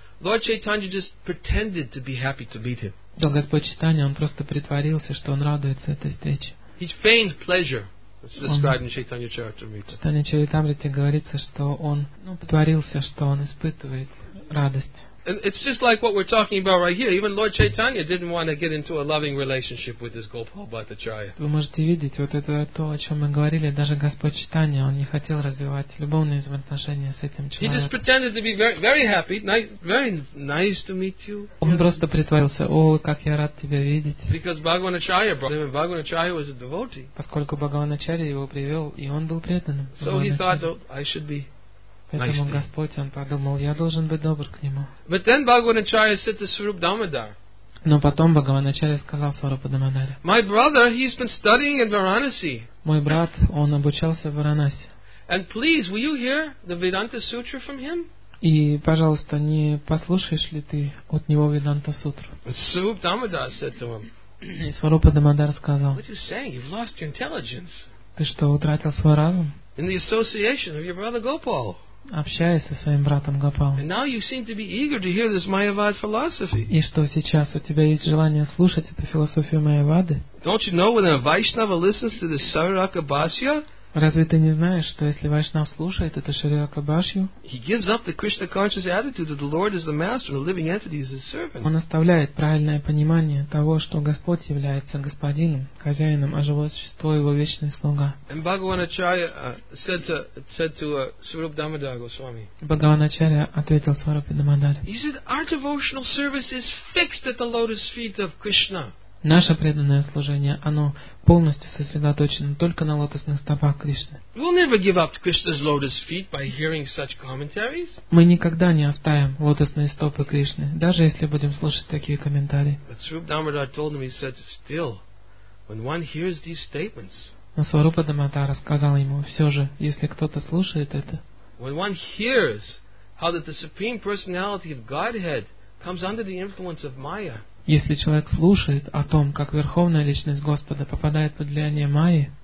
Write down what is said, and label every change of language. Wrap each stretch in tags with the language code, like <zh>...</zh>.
<en>Lord Chaitanya just pretended to be happy to meet him.</en> <ru>Да, Господь Чайтанья, он просто притворился, что он радуется этой встрече.</ru> <en>He feigned pleasure. It's described in Chaitanya Charitamrita.</en> <ru>Чайтанья Чаритамрите говорится, что он притворился, что он испытывает радость.</ru> <en>And it's just like what we're talking about right here. Even Lord Chaitanya didn't want to get into a loving relationship with this Gopal Bhattacharya.</en> <ru>Вы можете видеть, вот это то, о чем мы говорили, даже Господь Чайтанья, он не хотел развивать любовные взаимоотношения с этим человеком.</ru> <en>He just pretended to be very, very happy, very nice to meet you.</en> <ru>Он просто притворился: "О, как я рад тебя видеть."</ru> <en>Because Bhagavan Acharya brought him, and Bhagavan Acharya was a devotee.</en> <ru>Поскольку Бхагаван Ачарья его привел, и он был преданным.</ru> <en>So he thought, oh, I should be.</en> <ru>Поэтому Господь, он подумал, я должен быть добр к нему.</ru> <en>But then Bhagavan Acharya said to Swarupa Damodar.</en> <ru>Но потом Бхагаван Ачарья сказал Сварупа Дамодаре.</ru> <en>My brother, he's been studying in Varanasi.</en> <ru>Мой брат, он обучался в Варанаси.</ru> <en>And please, will you hear the Vedanta Sutra from him?</en> <ru>И, пожалуйста, не послушаешь ли ты от него Веданта Сутру?</ru> <en>But Swarupa Damodar said to him.</en> <ru>И Сварупа Дамодар сказал.</ru> <en>What are you saying? You've lost your intelligence.</en> <ru>Ты что, утратил свой разум?</ru> <en>In the association of your brother Gopal.</en> <ru>Общаясь со своим братом Гопалом.</ru> <en>And now you seem to be eager to hear this Mayavad philosophy.</en> <ru>И что сейчас у тебя есть желание слушать эту философию Майявады?</ru> <en>Don't you know when a Vaishnava listens to the Saraka Bhashya?</en> <ru>Разве ты не знаешь, что если Вайшнав слушает эту Шарирака Бхашью,</ru> <en>he gives up the Krishna conscious attitude that the Lord is the master and the living entity is his servant.</en> <ru>Он оставляет правильное понимание того, что Господь является господином, хозяином, а живое существо его вечный слуга.</ru> <en>And Bhagavan Acharya said to Swarupa Damodar Goswami.</en> <ru>Бхагаван Ачарья ответил Сварупе Дамодаре.</ru> <en>He said, our devotional service is fixed at the lotus feet of Krishna.</en> <ru>Наше преданное служение, оно полностью сосредоточено только на лотосных стопах Кришны.</ru> <en>We'll never give up Krishna's lotus feet by hearing such commentaries.</en> <ru>Мы никогда не оставим лотосные стопы Кришны, даже если будем слушать такие комментарии.</ru> <en>But Swarupa Damodar told him, he said, still, when one hears these statements,</en> <ru>но Сварупа Дамодара сказал ему, все же, если кто-то слушает это,</ru> <en>when one hears how that the Supreme Personality of Godhead comes under the influence of Maya,</en> <ru>если человек слушает о том, как Верховная Личность Господа попадает под влияние Майи,</ru>